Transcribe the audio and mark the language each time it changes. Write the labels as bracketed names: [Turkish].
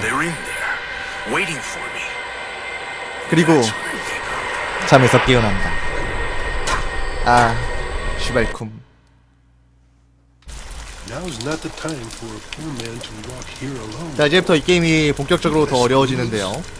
[English] They're in there, waiting for me. [Korean] 그리고 잠에서 깨어난다. 아, 시발쿰. [English] Now's not the time for a poor man to walk here alone. [Korean] 자, 이제부터 이 게임이 본격적으로 더 어려워지는데요.